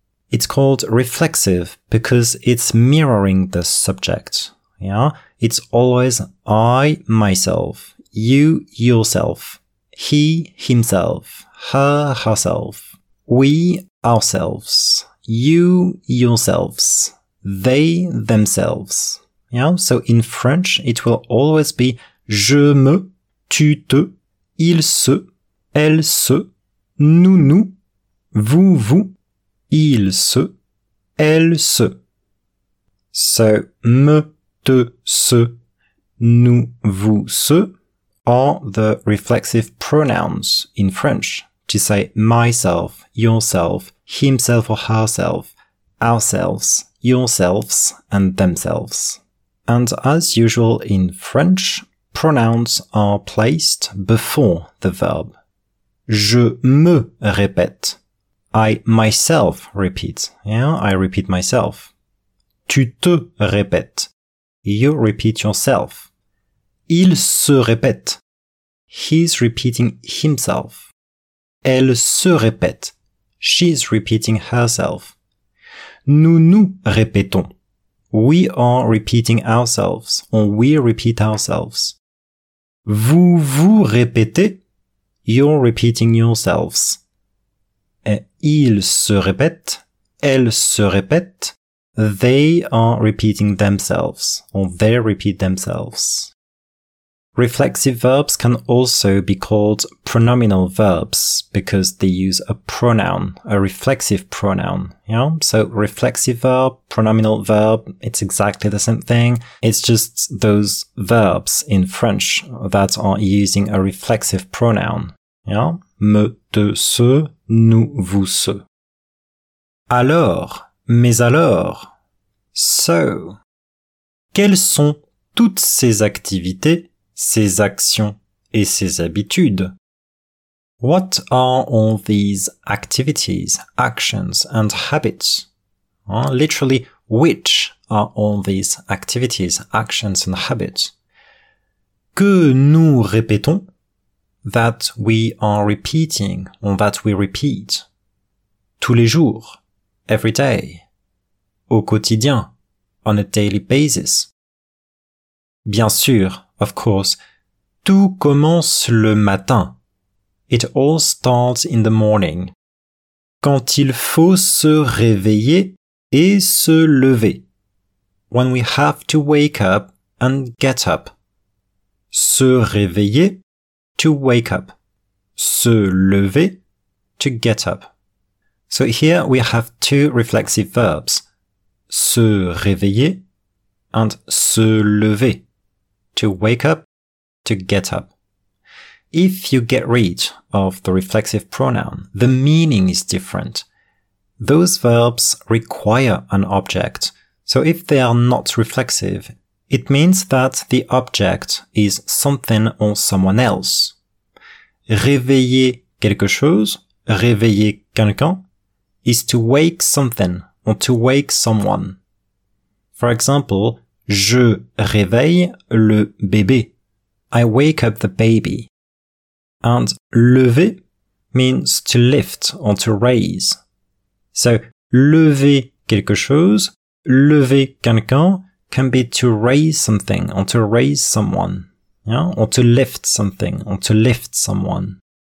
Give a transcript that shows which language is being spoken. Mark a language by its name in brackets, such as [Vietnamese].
[English] It's called reflexive because it's mirroring the subject. Yeah? It's always I, myself, you, yourself, he, himself, her, herself, we, ourselves, you, yourselves, they, themselves. Yeah, so in French, it will always be [French] je me, tu te, il se, elle se, [English] nous nous, vous vous, il se, elle se. So, me, te, se, nous vous se are the reflexive pronouns in French to say myself, yourself, himself or herself, ourselves, yourselves and themselves. And as usual in French, pronouns are placed before the verb. [French] Je me répète. [English] I myself repeat. Yeah, I repeat myself. [French] Tu te répètes. [English] You repeat yourself. [French] Il se répète. [English] He's repeating himself. [French] Elle se répète. [English] She's repeating herself. [French] Nous nous répétons. [English] We are repeating ourselves, or we repeat ourselves. [French] Vous vous répétez, [English] you're repeating yourselves. [French] Et ils se répètent, [English] elles se répètent, they are repeating themselves, or they repeat themselves. Reflexive verbs can also be called pronominal verbs because they use a pronoun, a reflexive pronoun. Yeah? So reflexive verb, pronominal verb, it's exactly the same thing. It's just those verbs in French that are using a reflexive pronoun. Yeah? Me, te, se, nous, vous, se. [French] Alors, mais alors. So, quelles sont toutes ces activités, ses actions et ses habitudes? [English] What are all these activities, actions and habits? Literally, which are all these activities, actions and habits? [French] Que nous répétons? [English] That we are repeating, or that we repeat. [French] Tous les jours, [English] every day. [French] Au quotidien, [English] on a daily basis. [French] Bien sûr, [English] of course, [French] tout commence le matin. [English] It all starts in the morning. [French] Quand il faut se réveiller et se lever. [English] When we have to wake up and get up. Se réveiller, to wake up. Se lever, to get up. So here we have two reflexive verbs. [French] Se réveiller and se lever. [English] To wake up, to get up. If you get rid of the reflexive pronoun, the meaning is different. Those verbs require an object. So if they are not reflexive, it means that the object is something or someone else. [French] Réveiller quelque chose, réveiller quelqu'un, [English] is to wake something or to wake someone. For example, [French] je réveille le bébé. [English] I wake up the baby. And lever means to lift or to raise. So, [French] lever quelque chose, lever quelqu'un [English] can be to raise something or to raise someone. Yeah? Or to lift something or to lift someone.